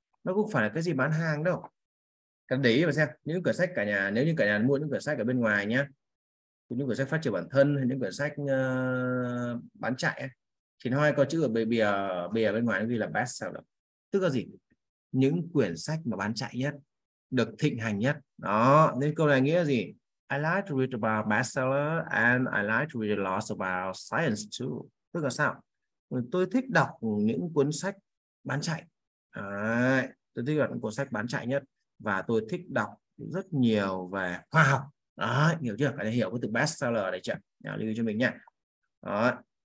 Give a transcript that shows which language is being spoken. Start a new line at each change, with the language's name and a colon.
Vietnamese: Nó cũng phải là cái gì bán hàng đâu. Các để ý và xem những cuốn sách cả nhà, nếu như cả nhà mua những cuốn sách ở bên ngoài nhá, những cuốn sách phát triển bản thân hay những cuốn sách bán chạy ấy, thì nó hay có chữ ở bìa bên ngoài nó ghi là best seller, tức là gì, những quyển sách mà bán chạy nhất, được thịnh hành nhất đó. Nên câu này nghĩa là gì?
English: I like to read about bestseller and I like to read a lot about science too.
Vietnamese: Tức là sao? Tôi thích đọc những cuốn sách bán chạy. Đấy, tôi thích đọc những cuốn sách bán chạy nhất và tôi thích đọc rất nhiều về khoa học. Đó, hiểu chưa? Phải hiểu cái từ bestseller đấy chưa? Nhớ lưu cho mình nha. Đó.